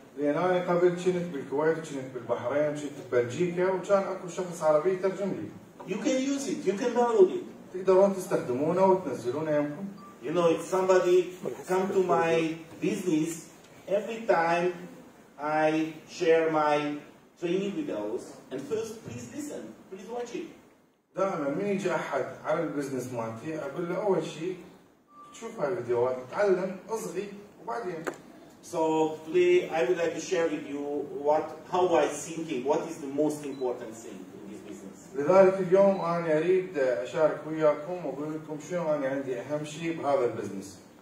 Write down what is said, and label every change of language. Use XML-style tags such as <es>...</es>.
<ar>لأن أنا قبل كنت بالكويت كنت بالبحرين كنت ببلجيكا وكان أكو شخص عربي يترجم لي.</ar> <en>You can use it, you can download it.</en> <ar>تقدرون تستخدمونه وتنزلونه يمكن.</ar> <en>You know, if somebody come to my business, every time I share my training videos, and first please listen, please watch it.</en> <ar>دائما من يجي أحد على البزنس مالتي أقول له أول شيء تشوف هاي الفيديوهات تعلم أصغي وبعدين.</ar> <en>So today I would like to share with you how I thinking, what is the most important thing in this business.</en> <ar>لذلك اليوم أنا أريد أشارك وياكم وأقول لكم شو أنا عندي أهم شيء بهذا البزنس.</ar>